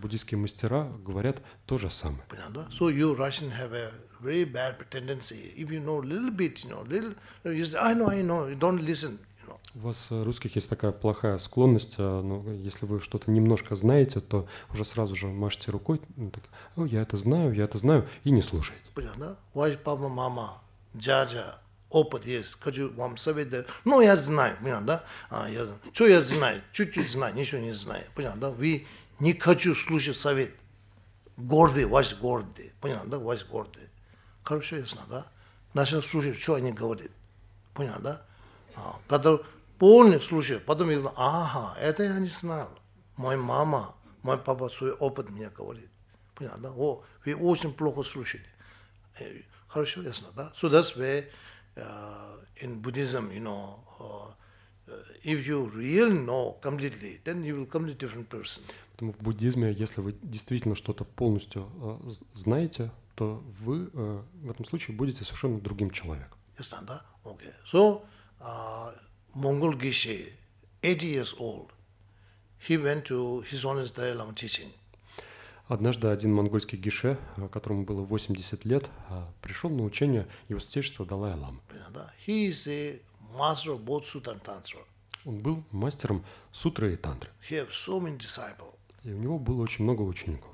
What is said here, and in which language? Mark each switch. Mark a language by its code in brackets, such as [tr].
[ru] Буддийские мастера говорят то же самое. Понятно. [en] So you Russian have a very bad tendency. If you know a little bit, you know, little, you say, I know, you don't listen. [ru] У вас, русских, есть такая плохая склонность, но если вы что-то немножко знаете, то уже сразу же машете рукой, так, о, я это знаю, и не слушаете. Понятно? Ваш папа, мама, дядя, опыт есть, хочу вам советовать, ну, я знаю, понятно, да? Что я знаю? Чуть-чуть знаю, ничего не знаю, понятно, да? Вы не хочу слушать совет. Гордый, ваш гордый, понятно, да? Ваш гордый. Хорошо, ясно, да? Начал слушать, что они говорят, понятно, да? Когда полный случай, потом я говорю, ага, это я не знал. Моя мама, мой папа свой опыт мне говорит. Понятно, да? О, вы очень плохо слушали. Хорошо, ясно, да? [en] So that's where in Buddhism, you know, if you really know completely, then you will completely different person. [ru] Поэтому в буддизме, если вы действительно что-то полностью знаете, то вы в этом случае будете совершенно другим человеком. Ясно, да? [en] Okay. So, Mongol Geshe, 80 years old, he went to his own Dalai Lama teaching. [ru] Однажды один монгольский геше, которому было 80 лет, пришел на учение его святейшества Далай Лама. [en] He is a master of both sutra and tantra. [ru] Он был мастером сутры и тантры. [en] He has so many disciples. [ru] И у него было очень много учеников.